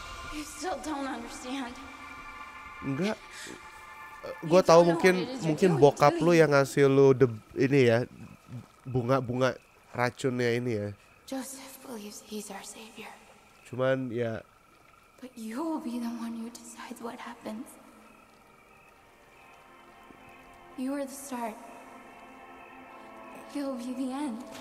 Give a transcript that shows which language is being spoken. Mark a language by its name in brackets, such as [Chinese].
[English] You still don't understand. [Indonesian] Enggak. Gua tahu mungkin bokap lu yang ngasih lu the ini ya, bunga-bunga racunnya ini ya. [English] Joseph believes he's our savior. [Indonesian] Cuman ya. [English] But you will be the one who decides what happens. You are the start. You'll be the end.